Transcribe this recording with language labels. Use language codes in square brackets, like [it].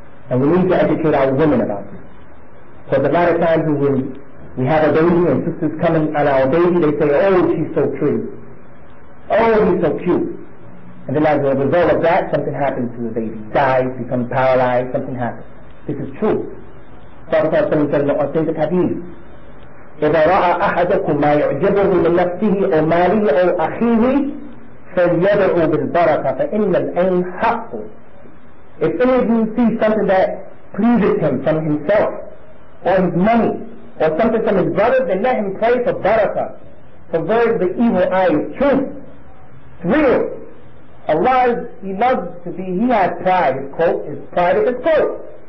[en] And we need to educate our women about this. So the lot of times when we have a baby and sisters coming on our baby, they say, oh, she's so pretty. Oh, he's so cute. And then as a result of that, something happens to the baby. Dies, becomes paralyzed, something happens. This is true. Prophet ﷺ said in the authentic hadith, [ar] إذا رأى أحدكم ما يعجبه من نفسه أو ماله أو أخيه فليدعو بالبركة فإن العين حق. [en] If any of you see something that pleases him from himself or his money or something from his brother, then let him pray for baraka. For verily the evil eye is true. It's real. Allah is, he loves to be, he has pride, his quote, his pride is his quote.